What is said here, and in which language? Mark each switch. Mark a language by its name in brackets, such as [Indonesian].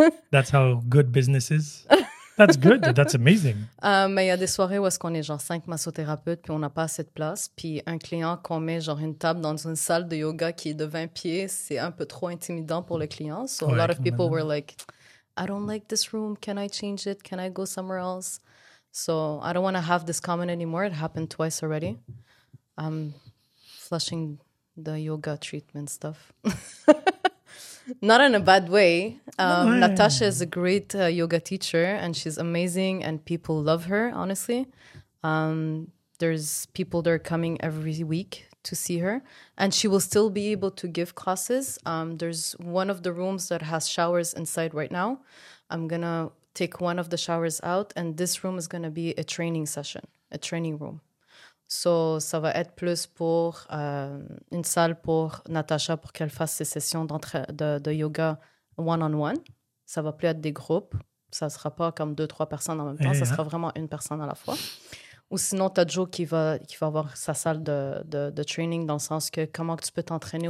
[English] That's how good business is. That's good. That's amazing. [French] Mais il y a des soirées où est-ce qu'on est genre 5 massothérapeutes, puis on n'a pas assez de place. Puis un client qu'on met genre une table dans une salle de yoga qui est de 20 pieds, c'est un peu trop intimidant pour le client. [English] So a lot of people were like, I don't like this room. Can I change it? Can I go somewhere else? So I don't want to have this comment anymore. It happened twice already. I'm flushing the yoga treatment stuff. Not in a bad way. Natasha is a great yoga teacher and she's amazing and people love her, honestly. There's people that are coming every week to see her and she will still be able to give classes. There's one of the rooms that has showers inside right now. I'm going to take one of the showers out and this room is going to be a training session, a training room. [French] So ça va être plus pour une salle pour Natasha pour qu'elle fasse ses sessions de yoga one-on-one. Ça va plus être des groupes. Ça sera pas comme 2-3 personnes en même temps. Ça sera vraiment une personne à la fois. Ou sinon, t'as Joe qui va avoir sa salle de training dans le sens que comment tu peux t'entraîner.